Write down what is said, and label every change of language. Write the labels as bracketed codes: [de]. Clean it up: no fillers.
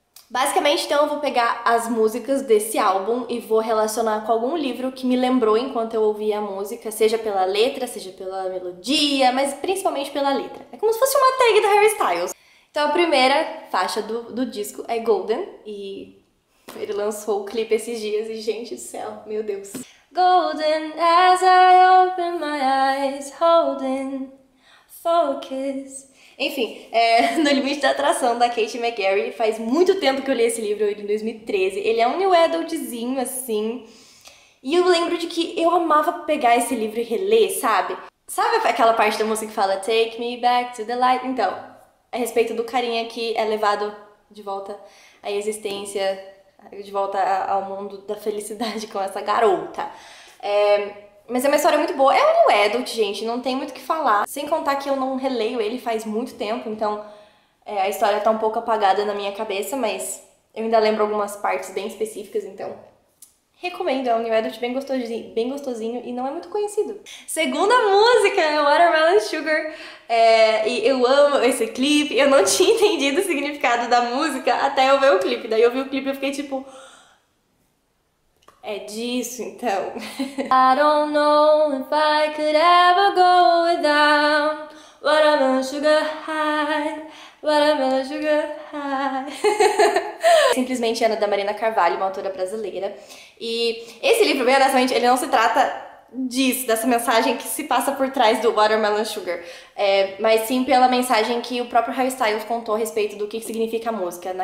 [pt] Basicamente, então, eu vou pegar as músicas desse álbum e vou relacionar com algum livro que me lembrou enquanto eu ouvia a música, seja pela letra, seja pela melodia, mas principalmente pela letra. É como se fosse uma tag do Harry Styles. Então, a primeira faixa do disco é Golden e ele lançou o clipe esses dias e, gente do céu, meu Deus. [en] Golden as I open my eyes, holding focus. [pt] Enfim, No Limite da Atração, da Kate McGarry. Faz muito tempo que eu li esse livro, ele em 2013. Ele é um new adultzinho, assim. E eu lembro de que eu amava pegar esse livro e reler, sabe? Sabe aquela parte da música que fala [en] Take me back to the light? [pt] Então, a respeito do carinha que é levado de volta à existência. De volta ao mundo da felicidade com essa garota. Mas é uma história muito boa. É um adult, gente, não tem muito o que falar. Sem contar que eu não releio ele faz muito tempo, então a história tá um pouco apagada na minha cabeça, mas eu ainda lembro algumas partes bem específicas, então recomendo. É um new adult bem gostosinho e não é muito conhecido. Segunda música, Watermelon Sugar. E eu amo esse clipe. Eu não tinha entendido o significado da música até eu ver o clipe. Daí eu vi o clipe e fiquei tipo. É disso então. [en] I don't know if I could ever go without Watermelon Sugar High. Watermelon Sugar High. [pt] Simplesmente Ana da Marina Carvalho, uma autora brasileira. E esse livro, bem honestamente, ele não se trata disso, dessa mensagem que se passa por trás do Watermelon Sugar. Mas sim pela mensagem que o próprio Harry Styles contou a respeito do que significa a música.